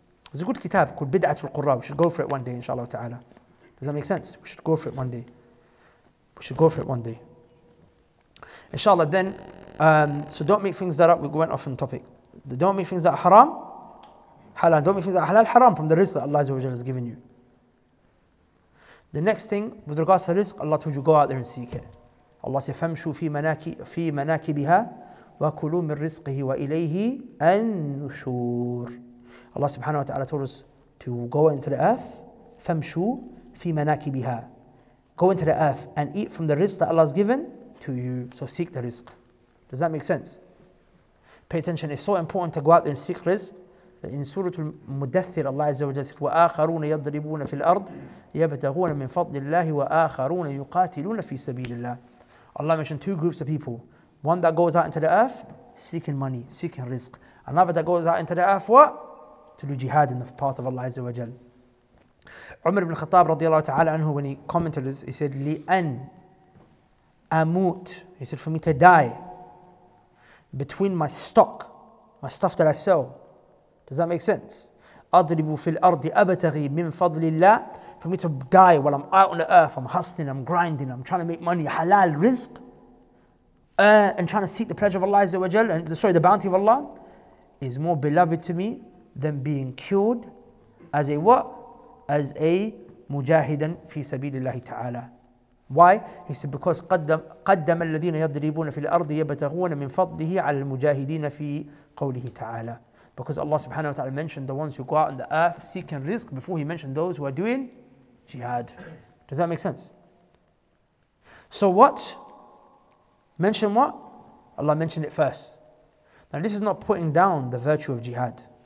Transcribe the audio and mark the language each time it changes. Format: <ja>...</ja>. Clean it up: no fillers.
<en>There's a good kitab called Bid'atul Qurra. We should go for it one day, inshallah ta'ala. Does that make sense? We should go for it one day. We should go for it one day. Inshallah then, so don't make things that are, we went off on topic. Don't make things that are haram, halal. Don't make things that are halal, haram from the rizq that Allah has given you. The next thing, with regards to rizq, Allah told you, go out there and seek it. Allah said,</en> <ar>فَمْشُوا فِي مَنَاكِبِهَا وَكُلُوا مِنْ رِزْقِهِ وَإِلَيْهِ النُّشُورِ.</ar> <en>Allah subhanahu wa ta'ala told us to go into the earth,</en> <ar>فَمْشُوا فِي مَنَاكِبِهَا.</ar> <en>Go into the earth and eat from the rizq that Allah has given to you. So seek the rizq. Does that make sense? Pay attention, it's so important to go out there and seek rizq. In Surah Al-Mudathir, Allah Azza wa Jalla said,</en> <ar>وَآخَرُونَ يَضْرِبُونَ فِي الْأَرْضِ يَبْتَغُونَ مِنْ فَضْلِ اللَّهِ وَآخَرُونَ يُقَاتِلُونَ فِي سَبِيلِ اللَّهِ.</ar> <en>Allah mentioned two groups of people. One that goes out into the earth, seeking money, seeking rizq. Another that goes out into the earth, what? To do jihad in the path of Allah Azza wa Jalla. Umar ibn Khattab radiallahu ta'ala anhu, when he commented this, he said,</en> <ar>لِأَنْ أَمُوت.</ar> <en>He said, for me to die between my stock, my stuff that I sell. Does that make sense?</en> <ar>أَضْرِبُ فِي الْأَرْضِ أَبْتَغِي مِنْ فَضْلِ اللَّهِ.</ar> <en>For me to die while I'm out on the earth, I'm hustling, I'm grinding, I'm trying to make money, halal, rizq, and trying to seek the pleasure of Allah Azza wa Jal, and destroy the bounty of Allah, is more beloved to me than being killed as a what? As a mujahidan fi sabilillahi ta'ala. Why? He said, because</en> <ar>قَدَّمَ الَّذِينَ يَضْرِبُونَ فِي الْأَرْضِ يَبْتَغُونَ مِنْ فَضْلِهِ عَلَى الْمُجَاهِدِينَ فِي قَوْلِهِ تَعَالَى.</ar> <en>Because Allah subhanahu wa ta'ala mentioned the ones who go out on the earth seeking rizq before he mentioned those who are doing jihad. Does that make sense? So what? Mention what? Allah mentioned it first. Now this is not putting down the virtue of jihad.</en>